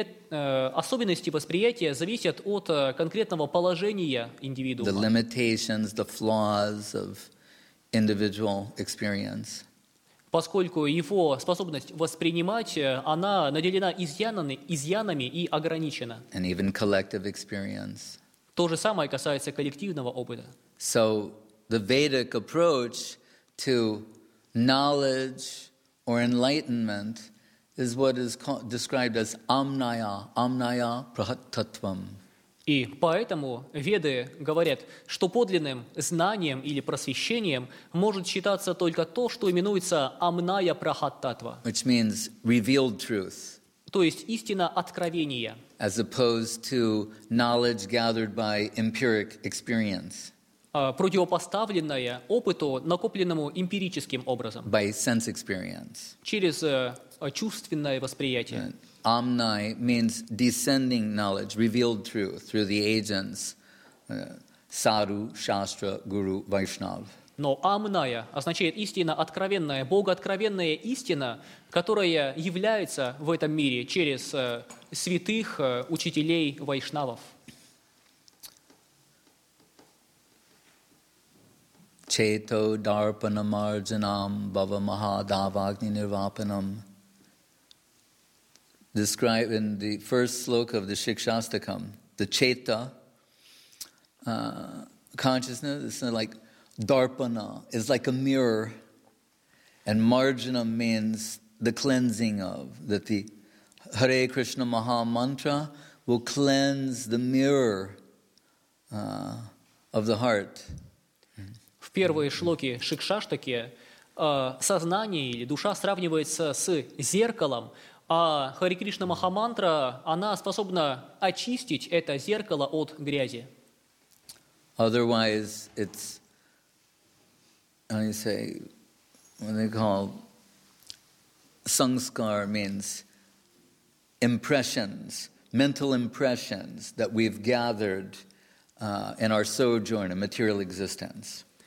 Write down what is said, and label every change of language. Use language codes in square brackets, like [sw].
[ru] Особенности восприятия зависят от конкретного положения индивидуума. [en] The limitations, the flaws of individual experience. [ru] Поскольку его способность воспринимать, она наделена изъянами и ограничена. [en] And even collective experience. [ru] То же самое касается коллективного опыта. [en] So the Vedic approach to knowledge or enlightenment is what is called, described as amnaya, amnaya prahattatvam. [ru] И поэтому веды говорят, что подлинным знанием или просвещением может считаться только то, что именуется амная прахаттатва. [en] Which means revealed truth. [ru] То есть истина откровения. [en] As opposed to knowledge gathered by empiric experience. [ru] Противопоставленное опыту, накопленному эмпирическим образом. [en] By sense experience. [ru] Через чувственное восприятие. [en] Amnai means descending knowledge, revealed truth through the agents Sadhu, Shastra, Guru, Vaishnav. [ru] Но Amnaya означает истина откровенная, богооткровенная истина, которая является в этом мире через святых учителей Вайшнавов. [sa] Cheto darpanam arjanam bhava mahadavagni nirvapanam. [en] Describe in the first sloka of the Shikshastakam, the Cheta consciousness is like Darpana, is like a mirror, and Marjanam means the cleansing of, that the Hare Krishna Maha Mantra will cleanse the mirror of the heart. [ru] В первой шлоке Шикшаштаки сознание или душа сравнивается с зеркалом, а Хари Кришна Махамантра, она способна очистить это зеркало от грязи. [en] Otherwise, it's, how do you say, what they call, sangskar means impressions, mental impressions that we've gathered in our sojourn in material existence.